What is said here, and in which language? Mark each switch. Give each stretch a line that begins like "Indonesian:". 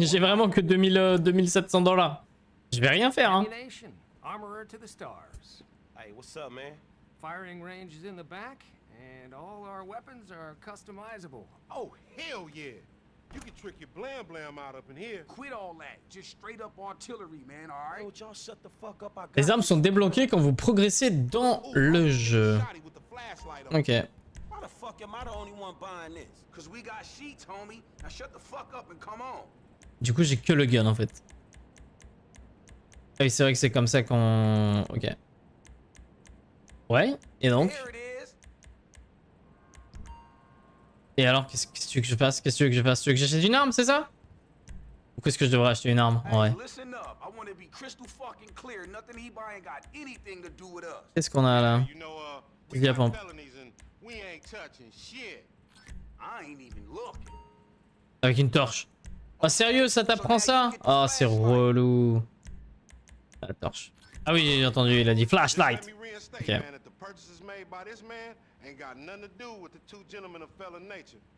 French: J'ai vraiment que 2700 dollars. Je vais rien faire, hein.
English: Armorer to the stars. Hey, what's up, man? Firing range is in the back, and all our weapons are customizable. Oh, hell yeah. You can trick your blam blam out up in here. Quit all that. Just straight up artillery, man, alright? Don't y'all shut the fuck up.
French: Les armes sont débloquées quand vous progressez dans le jeu.
English: Ok. Why the fuck am I the only one buying this? Cause we got sheets, homie. Now shut the fuck up and come on.
French: Du coup, j'ai que le gun, en fait. Et c'est vrai que c'est comme ça qu'on... Ok. Ouais, et donc? Et alors, qu'est-ce que tu veux que je fasse? Tu veux que j'achète une arme, c'est ça? Ou qu'est-ce que je devrais acheter une arme? Ouais.
English: Listen up, I want to be crystal fucking clear. Nothing he buying got anything to do with us.
French: Qu'est-ce qu'on a là? Il y a pompe.
English: We ain't touching shit. I ain't even looking.
French: Avec une torche. Oh sérieux, ça t'apprend ça? Oh c'est relou. La torche. Ah oui, j'ai entendu, il a dit flashlight.
English: Ok. The purchases made by this man ain't got nothing to do with the two gentlemen of fellow nature.